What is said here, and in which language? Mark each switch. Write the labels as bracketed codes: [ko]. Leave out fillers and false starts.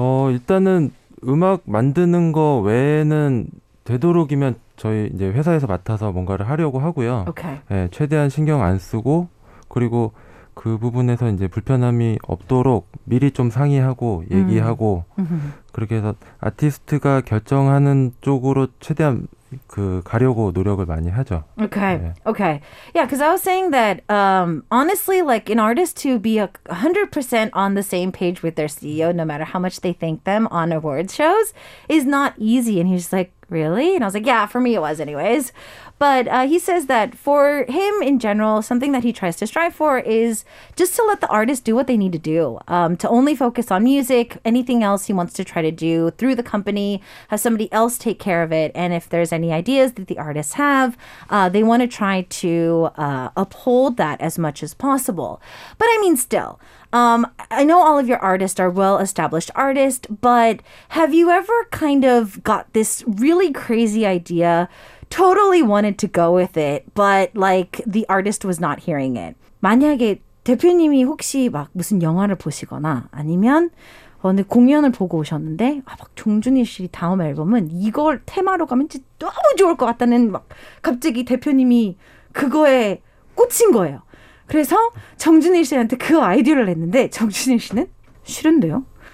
[ko] 일단은 음악 만드는 거 외에는 되도록이면 저희 이제 회사에서 맡아서 뭔가를 하려고 하고요. [en] 오케이. [ko] 네, 최대한 신경 안 쓰고 그리고 그 부분에서 이제 불편함이 없도록 미리 좀 상의하고 얘기하고 그렇게 해서 아티스트가 결정하는 쪽으로 최대한 그 가려고 노력을 많이 하죠. [en] Okay. 네. Okay. Yeah, because I was saying that honestly, like an artist to be 100% on the same page with their CEO, no matter how much they thank them on awards shows, is not easy. And he's like, really? And I was like, yeah, for me it was anyways. But he says that for him in general, something that he tries to strive for is just to let the artist do what they need to do, to only focus on music. Anything else he wants to try to do through the company, have somebody else take care of it. And if there's any ideas that the artists have, they want to try to uphold that as much as possible. But I mean, still, I know all of your artists are well-established artists, but have you ever kind of got this really crazy idea, totally wanted to go with it, but like the artist was not hearing it? [ko] 만약에 대표님이 혹시 막 무슨 영화를 보시거나 아니면 오늘 공연을 보고 오셨는데 막 정준일 씨 다음 앨범은 이걸 테마로 가면 진짜 너무 좋을 것 같다는 막 갑자기 대표님이 그거에 꽂힌 거예요. 그래서 정준일 씨한테 그 아이디어를 냈는데 정준일 씨는 싫은데요?